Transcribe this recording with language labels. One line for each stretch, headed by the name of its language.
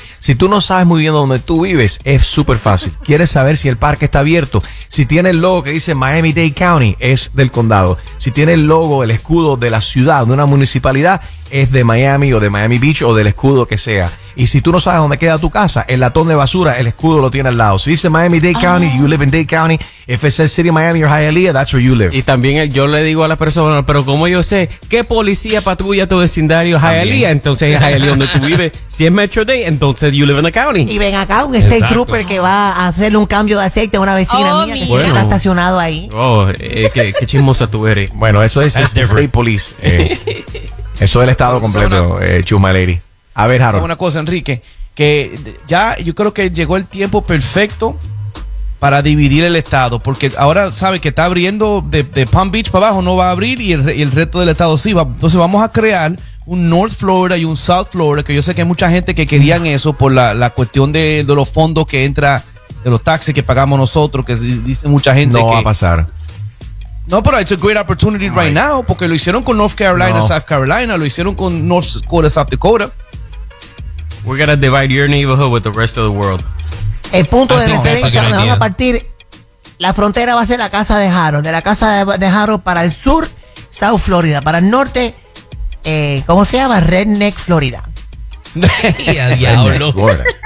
Spanish: Si tú no sabes muy bien dónde tú vives, es súper fácil. Quieres saber si el parque está abierto. Si tiene el logo que dice Miami-Dade County, es del condado. Si tiene el logo, el escudo de la ciudad, de una municipalidad, es de Miami o de Miami Beach o del escudo que sea. Y si tú no sabes dónde queda tu casa, el latón de basura, el escudo lo tiene al lado. Si dice
English: Miami-Dade County, you live in Dade County. If it says City of Miami or Hialeah, that's where you live.
Spanish: Y también yo le digo a las personas, pero como yo sé, ¿qué policía patrulla tu vecindario Hialeah? Entonces es Hialeah donde tú vives. Si es Metro Dade, entonces
English: you live in the county.
Spanish: Y ven acá un state trooper que va a hacerle un cambio de aceite a una vecina mía que se está estacionado ahí. Qué chismosa tú eres. Bueno, eso es State Police. Eso es el estado completo, Chuma Lady. A ver, Harold. Una cosa, Enrique, que ya yo creo que llegó el tiempo perfecto para dividir el estado, porque ahora, ¿sabes? Que está abriendo de Palm Beach para abajo, no va a abrir, y el resto del estado sí va. Entonces vamos a crear un North Florida y un South Florida, que yo sé que hay mucha gente que querían eso por la cuestión de los fondos que entra, de los taxes que pagamos nosotros, que dice mucha gente no que va a pasar. No, pero
English: it's a great opportunity right now,
Spanish: porque lo hicieron con North Carolina, South Carolina, lo hicieron con North Dakota, South Dakota.
English: We're going to divide your neighborhood with the rest of the world.
Spanish: El punto de referencia, nos vamos a partir, la frontera va a ser la casa de Harold, de la casa de Harold para el sur, South Florida, para el norte, ¿cómo se llama?
English: Redneck Florida.
Spanish: Diablo. Florida.